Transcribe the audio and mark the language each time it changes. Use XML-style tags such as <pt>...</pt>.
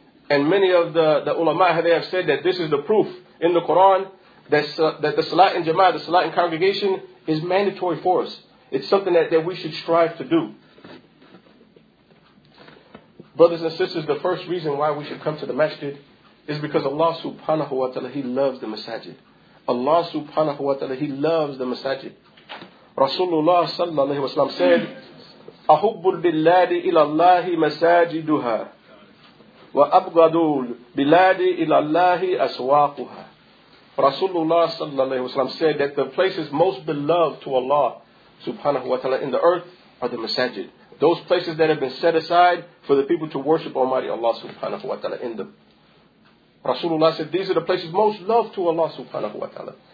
<en>And many of the ulama, they have said that this is the proof in the Quran that the salat in jama'ah, the salat in congregation, is mandatory for us. It's something that we should strive to do. Brothers and sisters, the first reason why we should come to the masjid is because Allah subhanahu wa ta'ala, He loves the masajid. Allah subhanahu wa ta'ala, He loves the masajid. Rasulullah sallallahu alayhi wa sallam said,</en> <ar>أَحُبُّ الْبِلَّادِ إِلَى اللَّهِ مَسَاجِدُهَا وَأَبْغَدُ الْبِلَّادِ إِلَى اللَّهِ أَسْوَاقُهَا.</ar> <en>Rasulullah sallallahu alayhi wa sallam said that the places most beloved to Allah subhanahu wa ta'ala in the earth are the masajid. Those places that have been set aside for the people to worship Almighty Allah subhanahu wa ta'ala in them. Rasulullah said these are the places most loved to Allah subhanahu wa ta'ala.</en>